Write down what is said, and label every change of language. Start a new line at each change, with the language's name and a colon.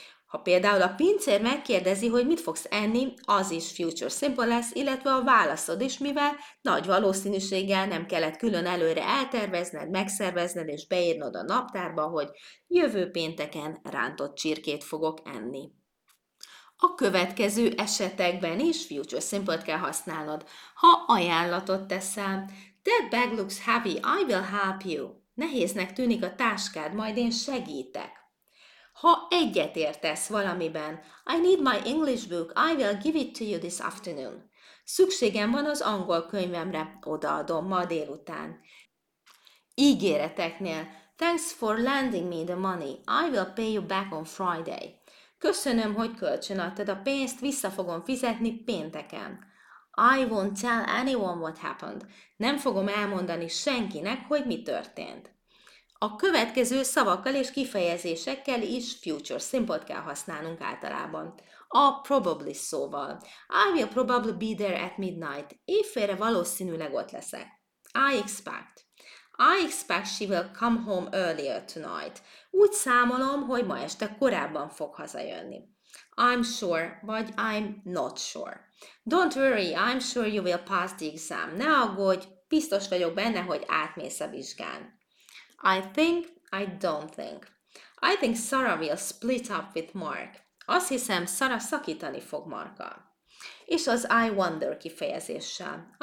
Hungarian: Ha például a pincér megkérdezi, hogy mit fogsz enni, az is future simple lesz, illetve a válaszod is, mivel nagy valószínűséggel nem kellett külön előre eltervezned, megszervezned és beírnod a naptárba, hogy jövő pénteken rántott csirkét fogok enni. A következő esetekben is future simple-t kell használnod, ha ajánlatot teszel.
English: That bag looks heavy, I will help you.
Hungarian: Nehéznek tűnik a táskád, majd én segítek. Ha egyetértesz valamiben,
English: I need my English book, I will give it to you this afternoon.
Hungarian: Szükségem van az angol könyvemre, odaadom ma délután. Ígéreteknél,
English: thanks for lending me the money, I will pay you back on Friday.
Hungarian: Köszönöm, hogy kölcsönadtad a pénzt, vissza fogom fizetni pénteken.
English: I won't tell anyone what happened.
Hungarian: Nem fogom elmondani senkinek, hogy mi történt. A következő szavakkal és kifejezésekkel is future simple-t kell használnunk általában. A probably szóval.
English: I will probably be there at midnight.
Hungarian: Éjfélre valószínűleg ott leszek.
English: I expect. I expect she will come home earlier tonight.
Hungarian: Úgy számolom, hogy ma este korábban fog hazajönni.
English: I'm sure,
Hungarian: vagy
English: I'm not sure. Don't worry, I'm sure you will pass the exam.
Hungarian: Ne aggódj, biztos vagyok benne, hogy átmész a vizsgán.
English: I think, I don't think. I think Sarah will split up with Mark.
Hungarian: Azt hiszem, Sarah szakítani fog Markkal. És az I wonder kifejezéssel.